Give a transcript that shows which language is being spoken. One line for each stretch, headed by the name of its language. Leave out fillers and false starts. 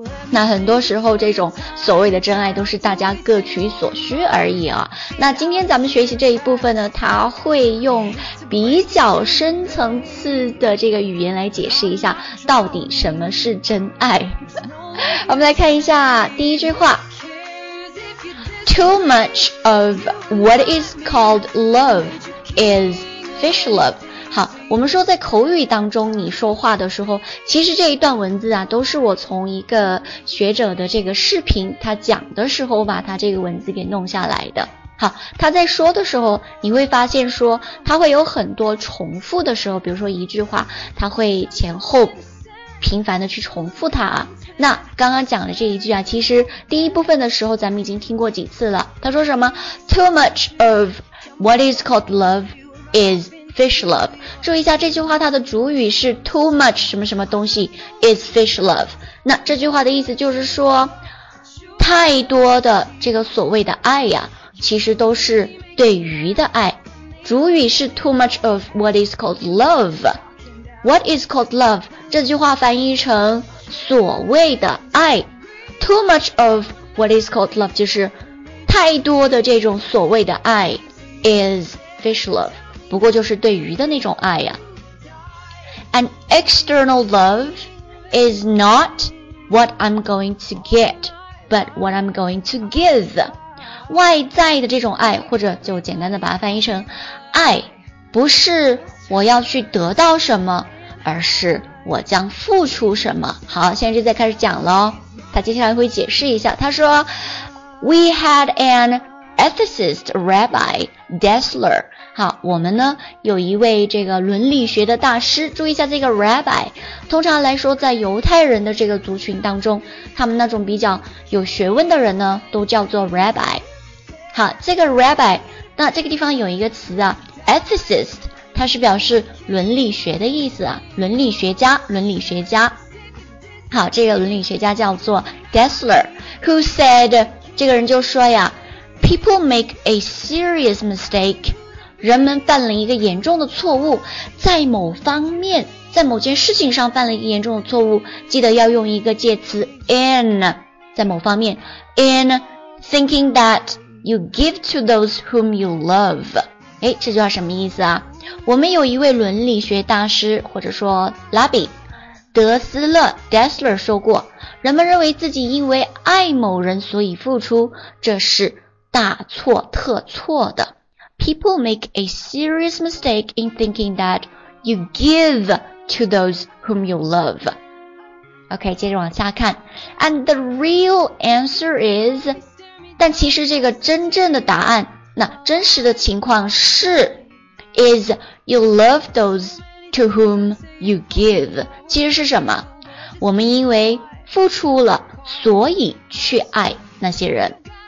Chinese: 那很多时候这种所谓的真爱都是大家各取所需而已啊。那今天咱们学习这一部分呢，它会用比较深层次的这个语言来解释一下到底什么是真爱。我们来看一下第一句话，
English: Too much of what is called love is fish love。
Chinese: 好，我们说在口语当中你说话的时候，其实这一段文字啊都是我从一个学者的这个视频他讲的时候把他这个文字给弄下来的。好，他在说的时候你会发现说他会有很多重复的时候，比如说一句话他会前后频繁的去重复它啊。那刚刚讲的这一句啊，其实第一部分的时候咱们已经听过几次了，他说什么
English: Too much of what is called love is fish love。
Chinese: 注意一下这句话，它的主语是 too much 什么什么东西
English: is fish love。
Chinese: 那这句话的意思就是说，太多的这个所谓的爱呀，其实都是对鱼的爱。主语是
English: too much of what is called love。 What is called love
Chinese: 这句话翻译成所谓的爱，
English: too much of what is called love
Chinese: 就是太多的这种所谓的爱，
English: is fish love，
Chinese: 不过就是对鱼的那种爱呀。
English: An external love is not what I'm going to get but what I'm going to give。
Chinese: 外在的这种爱，或者就简单的把它翻译成爱，不是我要去得到什么，而是我将付出什么。好，现在就再开始讲咯。他接下来会解释一下，他说
English: We had an ethicist rabbi Dessler。
Chinese: 好，我们呢有一位这个伦理学的大师。注意一下这个 rabbi， 通常来说在犹太人的这个族群当中，他们那种比较有学问的人呢都叫做 rabbi。好，这个 rabbi， 那这个地方有一个词啊， ethicist， 它是表示伦理学的意思啊，伦理学家，伦理学家。好，这个伦理学家叫做 Dessler，
English: who said，
Chinese: 这个人就说呀，
English: people make a serious mistake，
Chinese: 人们犯了一个严重的错误，在某方面，在某件事情上犯了一个严重的错误，记得要用一个介词 in， 在某方面
English: in thinking thatYou give to those whom you love。
Chinese: 诶，这句话什么意思啊？我们有一位伦理学大师，或者说拉比德斯勒 Dessler 说过，人们认为自己因为爱某人所以付出，这是大错特错的。
English: People make a serious mistake in thinking that you give to those whom you love。
Chinese: OK， 接着往下看。
English: And the real answer is，
Chinese: 但其实这个真正的答案，那真实的情况是
English: is you love those to whom you give，
Chinese: 其实是什么，我们因为付出了所以去爱那些人。